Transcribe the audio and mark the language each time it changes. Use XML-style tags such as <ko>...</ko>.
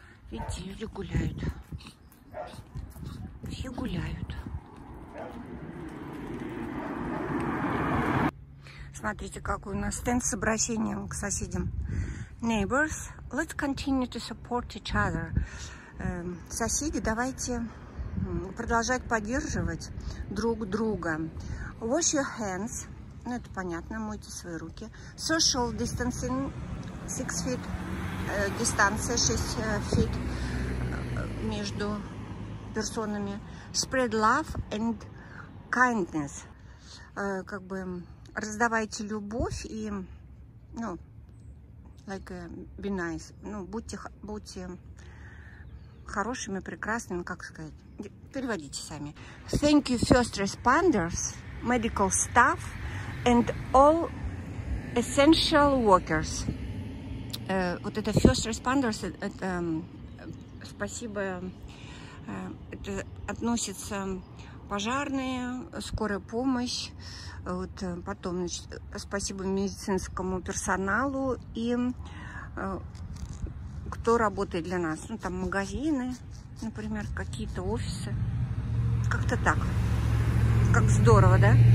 <ru>Видите, люди гуляют. Все гуляют. Смотрите, какой у нас стенд с обращением к соседям.</ru> <en>Neighbors, let's continue to support each other.</en> <ru>Соседи, давайте продолжать поддерживать друг друга.</ru> <en>Wash your hands.</en> <ru>Ну, это понятно, мойте свои руки.</ru> <en>Social distancing, 6 feet.</en> <ru>Дистанция 6 feet между персонами.</ru> <en>Spread love and kindness.</en> <ru>Как бы раздавайте любовь и, ну, like,</ru> <en>be nice.</en> <ru>Ну, будьте хорошими, прекрасными, как сказать. Переводите сами.</ru> <en>Thank you first responders, medical staff and all essential workers.</en> <ru>Вот это first responders, это спасибо, это относится пожарные, скорая помощь, вот потом, значит, спасибо медицинскому персоналу и кто работает для нас, ну там магазины, например, какие-то офисы, как-то так, как здорово, да?</ru>